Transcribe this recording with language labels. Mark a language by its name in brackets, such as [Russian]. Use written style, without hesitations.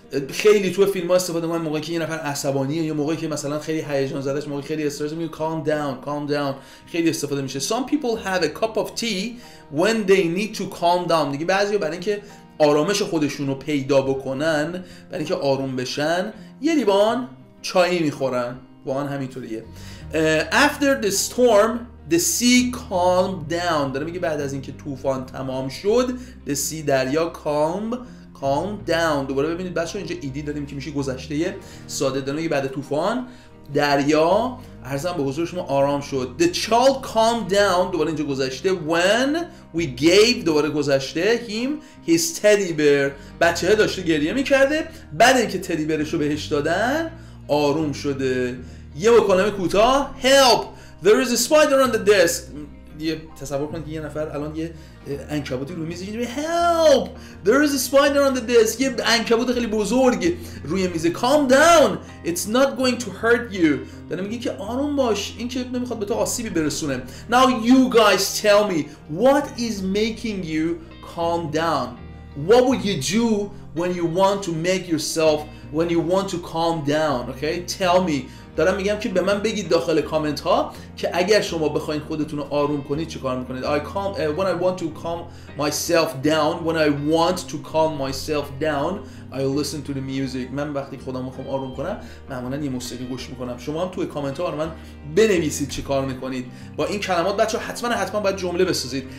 [Persian] خیلی تو فیلم‌ها استفاده می‌کنن موقعی که یه نفر عصبانیه یا موقعی که مثلا خیلی هیجان زده است، موقعی خیلی استرس می‌گه [English] calm down، calm down. [Persian] خیلی استفاده میشه. [English] Some people have a cup of tea when they need to calm down. [Persian] دیگه بعضیا برای اینکه آرامش خودشونو پیدا بکنن، برای اینکه آروم بشن، یه لیوان چای می‌خورن. واقعاً همینطوریه. [English] After the storm the sea calmed down. [Persian] داره میگه بعد از اینکه طوفان تمام شد، [English] the sea، [Persian] دریا، calm down. دوباره ببینید بچه ها اینجا ایدی داریم که میشه گذشته ساده، دانه بعد طوفان دریا عرضم به حضور شما آرام شد. [English] The child calmed down، [Persian] دوباره اینجا گذشته، [English] when we gave، [Persian] دوباره گذشته، [English] him his teddy bear. [Persian] بچه ها داشته گریه میکرده، بعد اینکه teddy bearش رو بهش دادن آروم شده. یه مکالمه کوتاه. [English] help، there is a spider on the desk. [Persian] یه تصور کنید که یه نفر الان یه عنکبوتی روی میز اینجوری [English] help there is a spider on the desk، [Persian] یه عنکبوت خیلی بزرگ روی میز. [English] calm down it's not going to hurt you. [Persian] داره میگه که آروم باش، این که نمیخواد به تو آسیبی برسونه. [English] now you guys tell me what is making you calm down، what would you do when you want to make yourself، when you want to calm down. okay tell me. [Persian] دارم میگم که به من بگید داخل کامنت ها که اگر شما بخواید خودتون رو آروم کنید چه کار میکنید. [English] When I want to calm myself down، when I want to calm myself down I listen to the music. [Persian] من وقتی خودم میخوام آروم کنم معمولا یه موسیقی گوش میکنم. شما هم توی کامنت ها برای من بنویسید چه کار میکنید با این کلمات. بچه ها حتما باید جمله بسازید.